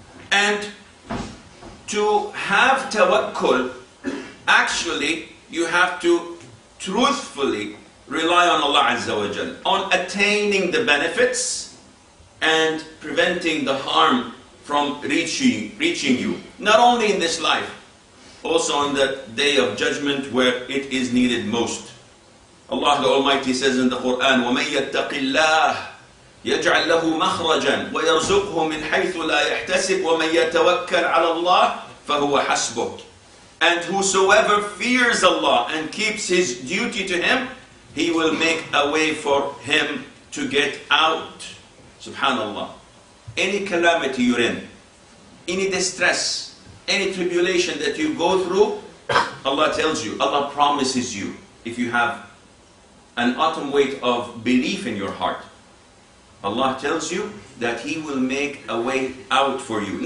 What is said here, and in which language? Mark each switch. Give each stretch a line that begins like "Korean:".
English: And to have tawakkul, actually, you have to truthfully rely on Allah Azza wa Jal, on attaining the benefits and preventing the harm from reaching you. Not only in this life, also on the Day of Judgment where it is needed most. Allah the Almighty says in the Quran,
Arabic: وَمَنْ يَتَّقِ اللَّهِ يَجْعَلْ لَهُ مَخْرَجًا وَيَرْزُقْهُ مِنْ حَيْثُ لَا يَحْتَسِبُ وَمَنْ يَتَوَكَّلْ عَلَى اللَّهِ فَهُوَ حَسْبُهُ.
English: And whosoever fears Allah and keeps his duty to Him, He will make a way for him to get out. Subhanallah. Any calamity you're in, any distress, any tribulation that you go through, Allah tells you, Allah promises you, if you have an autumn weight of belief in your heart, Allah tells you that He will make a way out for you.